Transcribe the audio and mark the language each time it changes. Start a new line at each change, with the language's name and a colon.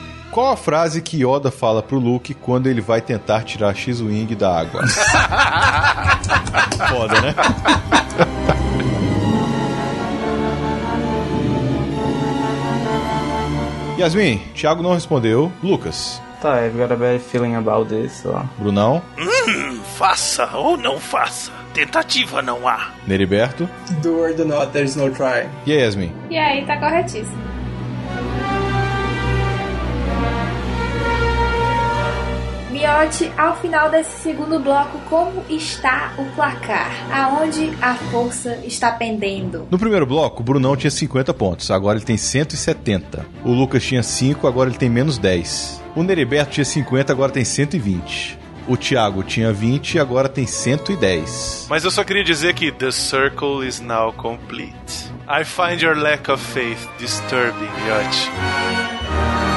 Portuguese: Qual a frase que Yoda fala pro Luke quando ele vai tentar tirar X-Wing da água? Foda, né? Yasmin, Thiago não respondeu. Lucas.
English: Tá, I've got a bad feeling about this, ó.
Portuguese: Brunão. Faça ou não faça. Tentativa não há. Neriberto.
English: Do or do not, there's no try.
Portuguese: E aí, Yasmin? E aí, tá corretíssimo. Miote, ao final desse segundo bloco, como está o placar? Aonde a força está pendendo? No primeiro bloco, o Brunão tinha 50 pontos, agora ele tem 170. O Lucas tinha 5, agora ele tem menos 10. O Neriberto tinha 50, agora tem 120. O Thiago tinha 20 e agora tem 110. Mas eu só queria dizer que
English: the circle is now complete. I find your lack of faith disturbing, Miote.